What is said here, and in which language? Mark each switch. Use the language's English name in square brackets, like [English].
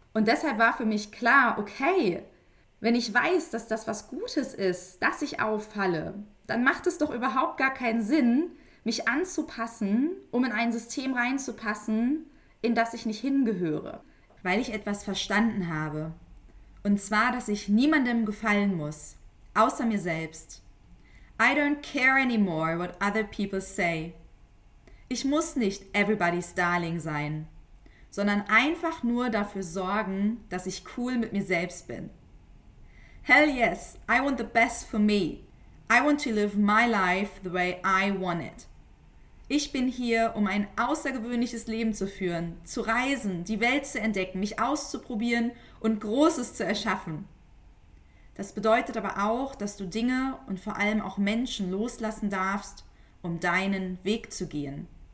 [German] Und deshalb war für mich klar, okay, wenn ich weiß, dass das was Gutes ist, dass ich auffalle, dann macht es doch überhaupt gar keinen Sinn, mich anzupassen, um in ein System reinzupassen, in das ich nicht hingehöre. Weil ich etwas verstanden habe. Und zwar, dass ich niemandem gefallen muss, außer mir selbst. [English] I don't care anymore what other people say. [German] Ich muss nicht [English] everybody's darling [German] sein, sondern einfach nur dafür sorgen, dass ich cool mit mir selbst bin. [English] Hell yes, I want the best for me. I want to live my life the way I want it. [German] Ich bin hier, um ein außergewöhnliches Leben zu führen, zu reisen, die Welt zu entdecken, mich auszuprobieren und Großes zu erschaffen. Das bedeutet aber auch, dass du Dinge und vor allem auch Menschen loslassen darfst, um deinen Weg zu gehen.